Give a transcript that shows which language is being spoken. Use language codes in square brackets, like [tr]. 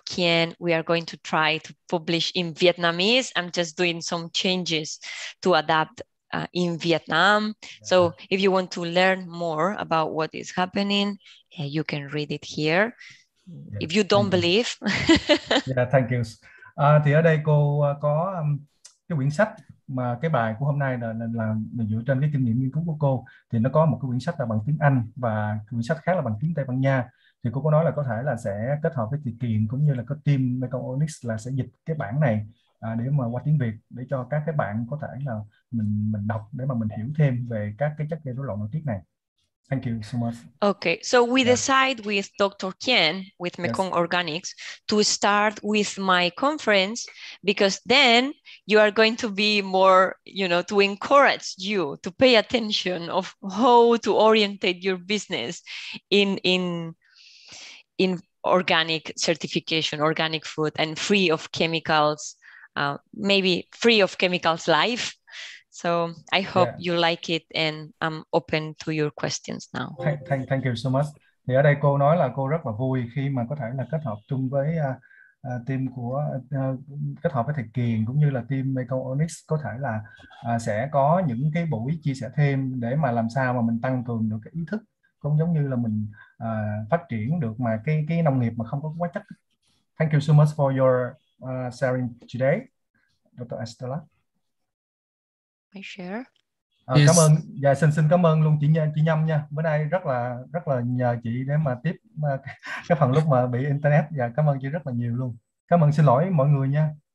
[en] Kien we are going to try to publish in Vietnamese. I'm just doing some changes to adapt in Vietnam. So if you want to learn more about what is happening, you can read it here. Yes, if you don't believe. Yeah, thank you. [vi] Thì ở đây cô có cái quyển sách mà cái bài của hôm nay là dựa trên cái kinh nghiệm nghiên cứu của cô. Thì nó có một cái quyển sách là bằng tiếng Anh và quyển sách khác là bằng tiếng Tây Ban Nha. Thì cô có nói là có thể là sẽ kết hợp với Thị Kiền cũng như là có team Mekong Onyx là sẽ dịch cái bản này để mà qua tiếng Việt, để cho các cái bạn có thể là mình đọc để mà mình hiểu thêm về các cái chất gây rối loạn nội tiết này. [en] Thank you so much. Okay, so we decide with Dr. Kien, with Mekong Organics, to start with my conference, because then you are going to be more, you know, to encourage you to pay attention of how to orientate your business in organic certification, organic food, and free of chemicals, maybe free of chemicals life. So I hope you like it, and I'm open to your questions now. Thank you so much. [vi] Thì ở đây cô nói là cô rất là vui khi mà có thể là kết hợp chung với team của kết hợp với thầy Kiền cũng như là team Mekong Onyx, có thể là sẽ có những cái buổi chia sẻ thêm để mà làm sao mà mình tăng cường được cái ý thức, cũng giống như là mình phát triển được mà cái nông nghiệp mà không có quá chất. [en] Thank you so much for your sharing today, Dr. Estella. I share. [vi] Cảm ơn. Dạ, xin cảm ơn luôn chị Nhâm nha. Bữa nay rất là nhờ chị để mà tiếp cái phần lúc mà bị internet. Dạ, cảm ơn chị rất là nhiều luôn. Cảm ơn, xin lỗi mọi người nha.